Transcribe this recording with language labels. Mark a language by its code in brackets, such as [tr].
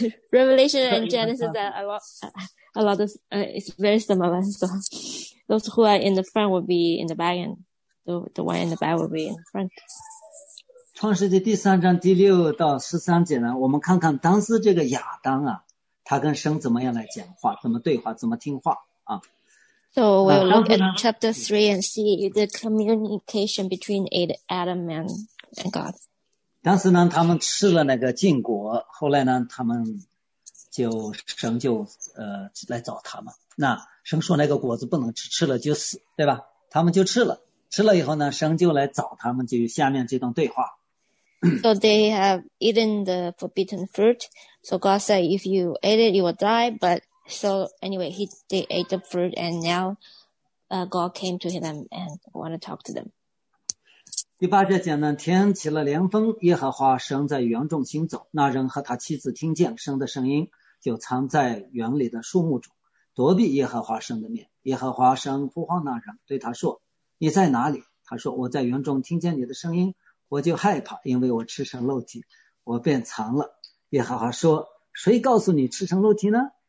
[en] Revelation and Genesis are it's very similar. So those who are in the front will be in the back, and the one in the back will be in the front. [zh] 创世纪第三章第六到十三节呢，我们看看当时这个亚当啊，他跟神怎么样来讲话，怎么对话，怎么听话啊。 [en] So we'll look at chapter 3 and see the communication between Adam and God. [zh] 当时呢，他们吃了那个禁果，后来呢，他们就神就来找他们。那神说那个果子不能吃，吃了就死，对吧？他们就吃了，吃了以后呢，神就来找他们，就有下面这段对话。 [en] So they have eaten the forbidden fruit. So God said, if you ate it, you will die. But so anyway, they ate the fruit, and now, God came to them and want to talk to them. [zh] 第八节讲呢，天起了凉风，耶和华神在园中行走，那人和他妻子听见神的声音，就藏在园里的树木中，躲避耶和华神的面。耶和华神呼唤那人，对他说，你在哪里？他说，我在园中听见你的声音，我就害怕，因为我赤身露体，我便藏了。耶和华说，谁告诉你赤身露体呢？